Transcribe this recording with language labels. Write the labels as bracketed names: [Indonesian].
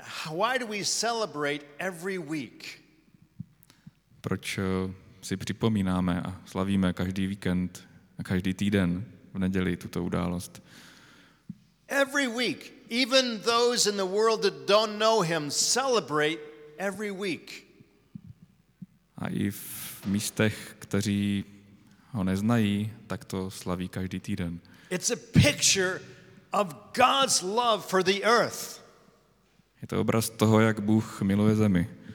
[English] Why do we celebrate every week? [Czech] Proč si připomínáme a slavíme každý víkend a každý týden v neděli tuto událost? [English] Every week, even those in the world that don't know him celebrate every week. [Czech] A i v místech, kteří ho neznají, tak to slaví každý týden. [English] It's a picture of God's love for the earth. [Czech] Je to obraz toho, jak Bůh miluje zemi.